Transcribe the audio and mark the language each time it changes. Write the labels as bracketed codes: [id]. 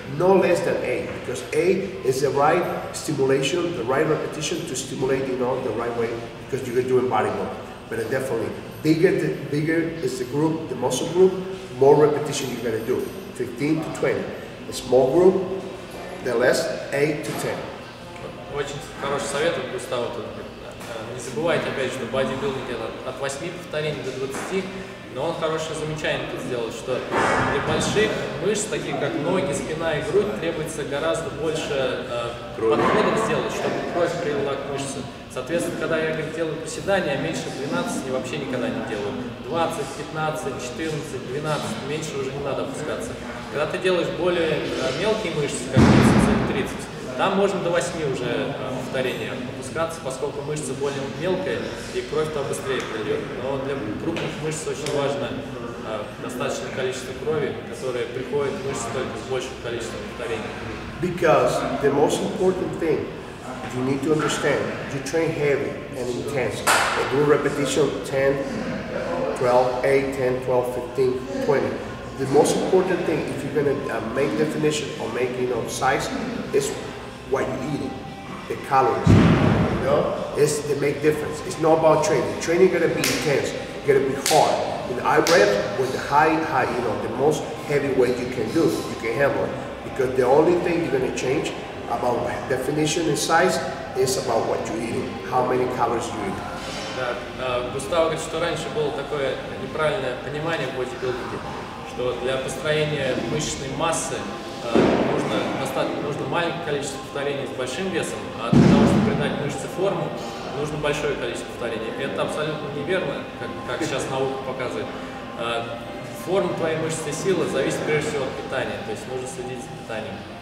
[en] No less than 8, because 8 is the right stimulation, the right repetition to stimulate, you know, the right way, because you can do it body more. But definitely, bigger is the group, the muscle group, more repetition you're gonna do, 15 to 20. A small group, the less, 8 to 10. [ru] Очень хороший совет от Густава тут. Не забывайте, опять же, что бодибилдинг это от 8 повторений до 20, но он хорошее замечание тут сделал, что для больших мышц, таких как ноги, спина и грудь, требуется гораздо больше подходов сделать, чтобы кровь привела к мышце. Соответственно, когда я говорю, делаю приседания, меньше 12 вообще никогда не делаю. 20, 15, 14, 12, меньше уже не надо опускаться. Когда ты делаешь более мелкие мышцы, как 30, там можно до 8 уже повторения опускаться, поскольку мышца более мелкая и кровь там быстрее придет. Но для крупных мышц очень важно достаточное количество крови, которое приходит в мышцы только с большим количеством повторений. [en] Because the most important thing you need to understand, you train heavy and intense. A good repetition 10, 12, 8, 10, 12, 15, 20. The most important thing, if you're gonna make definition or make, you know, size, is what you're eating, the calories, you know? It's the make difference. It's not about training. Training gonna be intense, gonna be hard. In high rep, with the high, you know, the most heavy weight you can do, you can handle it. Because the only thing you're gonna change about definition and size is about what you're eating, how many calories you eat. [ru] Густаво говорит, что раньше было такое неправильное понимание в бодибилдинге, что для построения мышечной массы нужно маленькое количество повторений с большим весом, а для того, чтобы придать мышце форму, нужно большое количество повторений. Это абсолютно неверно, как сейчас наука показывает. Форма твоей мышечной силы зависит прежде всего от питания, то есть нужно следить за питанием.